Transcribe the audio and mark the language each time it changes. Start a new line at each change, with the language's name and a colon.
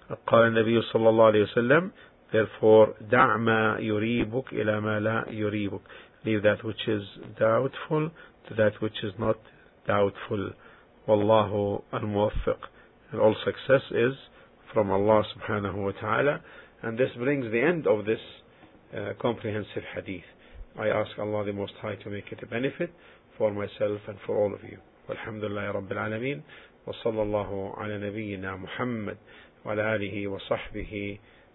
Arabic: قال النبي صلى الله عليه وسلم, therefore, دع ما يريبك إلى ما لا يريبك.
English: Leave that which is doubtful to that which is not doubtful.
Arabic: والله الموفق.
English: And all success is from Allah subhanahu wa ta'ala. And this brings the end of this comprehensive hadith. I ask Allah the Most High to make it a benefit for myself and for all of you.
Arabic: والحمد لله رب العالمين. وصلى الله على نبينا محمد وعلى آله وصحبه.